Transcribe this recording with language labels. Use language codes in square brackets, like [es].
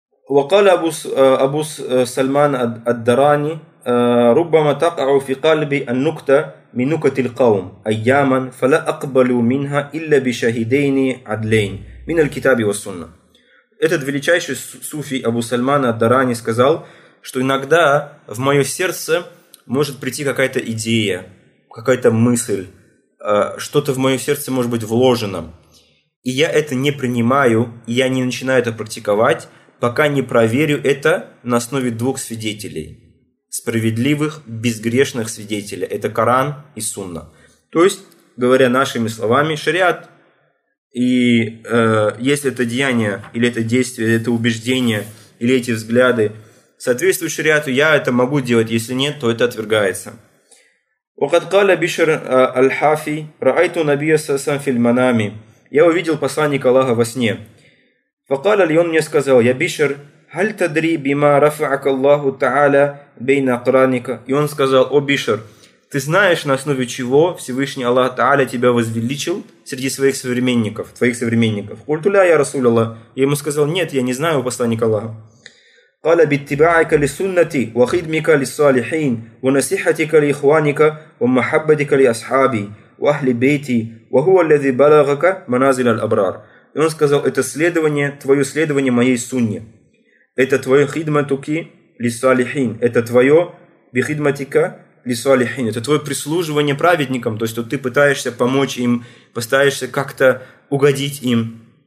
[ar] وقال أبو سلمان الدراني ربما تقع في قلبي النكتة من نكت القوم أياما فلا أقبل منها إلا بشهيدين عدلين من الكتاب والسنة. [ru] Этот величайший суфи Абу Сальман ад-Дарани сказал, что иногда в мое сердце может прийти какая-то идея, какая-то мысль, что-то в мое сердце может быть вложено, и я это не принимаю, и я не начинаю это практиковать, пока не проверю это на основе двух свидетелей. Справедливых, безгрешных свидетелей. Это Коран и Сунна. То есть, говоря нашими словами, шариат. И если это деяние, или это действие, или это убеждение, или эти взгляды соответствуют шариату, я это могу делать. Если нет, то это отвергается. [ar] وَقَدْ قَالَ بِشَرْ أَلْحَافِي رَأَيْتُ نَبِيَ سَسَمْ فِي الْمَنَامِ. [ru] Я увидел посланника Аллаха во сне. [ar] فقال لي, [ru] он мне сказал: [ar] «Я Бишр, هل تدري بما رفعك الله تعالى بين أقرانك?» [ru] И он сказал: «О Бишр, ты знаешь, на основе чего Всевышний Аллах Тааля тебя возвеличил среди своих современников, твоих современников?» [ar] قلت له: «Я رسول الله». [ru] Я ему сказал: «Нет, я не знаю, у посланника Аллаха». [ar] قال: «باتباعك لسنتي وخدمك للصالحين ونصيحتك لإخوانك ومحبتك لأصحابي وأهل بيتي وهو الذي بلغك منازل الأبرار». [ru] И он сказал: «Это следование, твое следование моей сунне. Это твое [ar] хидматуки лисуалихин. [ru] Это твое [ar] бихидматика лисуалихин. [ru] Это твое прислуживание праведникам. То есть, что ты пытаешься помочь им, пытаешься как-то угодить им.